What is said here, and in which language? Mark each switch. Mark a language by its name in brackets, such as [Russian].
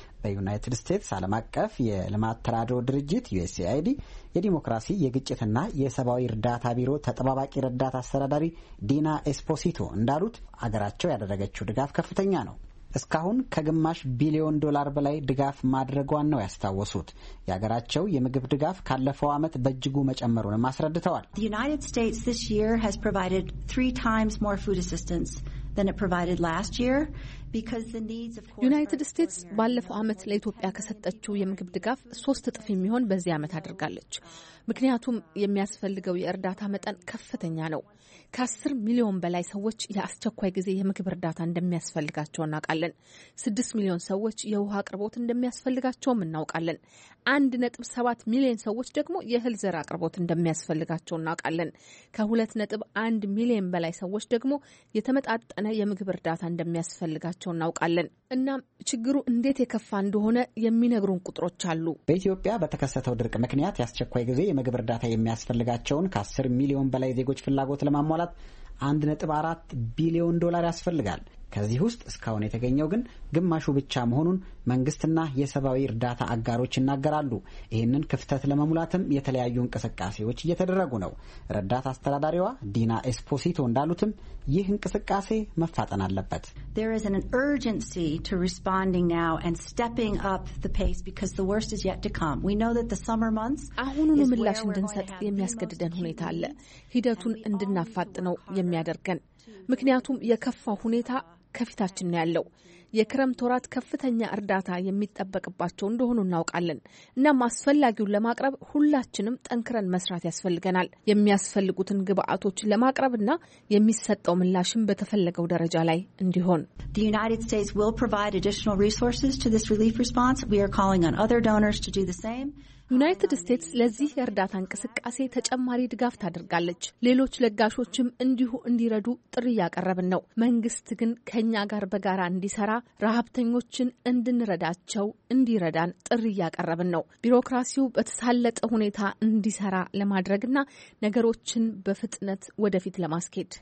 [Amharic] በዩናይትድ ስቴትስ ዓለም አቀፍ የልማት ተራድኦ ድርጅት ዩኤስአይዲ የዲሞክራሲ የግጭትና የሰብአዊ እርዳታ ቢሮ ተጠባባቂ ረዳት አስተዳዳሪ ዲና ኤስፖሲቶ እንዳሉት አገራቸው ያደረገችው ድጋፍ ከፍተኛ ነው። እስካሁን ከግማሽ ቢሊዮን ዶላር በላይ ድጋፍ ማድረጓን ነው ያስታወሱት። የሀገራቸው የምግብ ድጋፍ ካለፈው ዓመት በእጅጉ መጨመሩን ማስረድተዋል። [English] The United States this year has provided 3 times more food assistance than it provided last year because the needs of course [Amharic] United States ባለፈው ዓመት ለኢትዮጵያ ከሰጠችው የምግብ ድጋፍ 3 እጥፍ የሚሆን በዚህ ዓመት አድርጋለች። ምክንያቱም የሚያስፈልገው የእርዳታ መጠን ከፍተኛ ነው። ከ10 ሚሊዮን በላይ ሰዎች የአስቸኳይ ጊዜ የምግብ እርዳታ እንደሚያስፈልጋቸው እናውቃለን። 6 ሚሊዮን ሰዎች የውሃ አቅርቦት እንደሚያስፈልጋቸውም እናውቃለን። 1.7 ሚሊዮን ሰዎች ደግሞ የእህል ዘር አቅርቦት እንደሚያስፈልጋቸው እናውቃለን። ከ2.1 ሚሊዮን በላይ ሰዎች ደግሞ የተመጣጠነ የምግብ እርዳታ እንደሚያስፈልጋቸው እናውቃለን። እናም ችግሩ እንዴት የከፋ እንደሆነ የሚነግሩን ቁጥሮች አሉ። በኢትዮጵያ በተከሰተው ድርቅ ምክንያት የአስቸኳይ ጊዜ የምግብ እርዳታ የሚያስፈልጋቸውን ከ10 ሚሊዮን በላይ ዜጎች ፍላጎት ለማሟላት 1.4 ቢሊዮን ዶላር ያስፈልጋል። ከዚህ ውስጥ እስካሁን የተገኘው ግን ግማሹ ብቻ መሆኑን መንግስትና የሰብአዊ እርዳታ አጋሮች እናገራሉ። ይህንን ክፍተት ለመሙላትም የተለያዩ እንቅስቃሴዎች እየተደረጉ ነው። እርዳታ አስተዳዳሪዋ ዲና ኤስፖሲቶ እንዳሉትም ይህ እንቅስቃሴ መፋጠን አለበት። [English] There is an urgency to responding now and stepping up the pace because the worst is yet to come. We know that the summer months [Amharic] አሁኑኑ ምላሽ እንድንሰጥ የሚያስገድደን ሁኔታ አለ። ሂደቱን እንድናፋጥነው የሚያደርገን ምክንያቱም የከፋ ሁኔታ ከፊታችን ያለው የክረምት ወራት ከፍተኛ እርዳታ የሚጠበቅባቸው እንደሆነ እናውቃለን። እና ማስፈልጊውን ለማቅረብ ሁላችንም ጠንክረን መስራት ያስፈልገናል። የሚያስፈልጉትን ግብአቶች ለማቅረብና የሚሰጠው ምላሽም በተፈለገው ደረጃ ላይ እንዲሆን። [English] The United States will provide additional resources to this relief response. We are calling on other donors to do the same. [Amharic] United States ለዚህ እርዳታ እንቅስቃሴ ተጨማሪ ድጋፍ ታደርጋለች። ሌሎች ለጋሾችም እንዲሁ እንዲረዱ ጥሪ ያቀረብን ነው። መንግስት ግን ከኛ ጋር በጋራ እንዲሰራ ረሃብተኞችን እንድንረዳቸው እንዲረዳን ጥሪ ያቀረብን ነው። ቢሮክራሲው በተሳለጠ ሁኔታ እንዲሰራ ለማድረግና ነገሮችን በፍጥነት ወደፊት ለማስኬድ